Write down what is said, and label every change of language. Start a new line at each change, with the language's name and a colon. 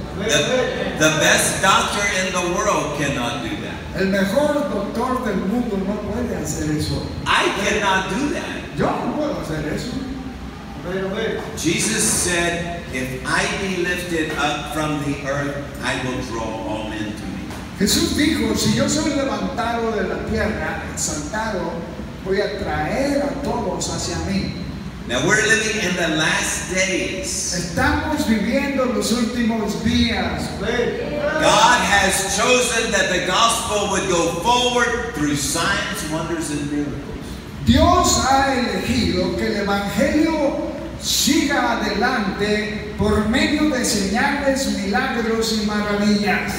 English: The best doctor in the world cannot do that.
Spanish: El mejor doctor del mundo no puede hacer eso.
English: I cannot do that.
Spanish: Yo no puedo hacer eso.
English: Jesus said, if I be lifted up from the earth, I will draw all men to me.
Spanish: Jesús dijo, si yo soy levantado de la tierra, exaltado, voy a traer a todos hacia mí.
English: Now we're living in the last days.
Spanish: Estamos viviendo los últimos días.
English: God has chosen that the gospel would go forward through signs, wonders, and miracles.
Spanish: Dios ha elegido que el evangelio siga adelante por medio de señales, milagros y maravillas.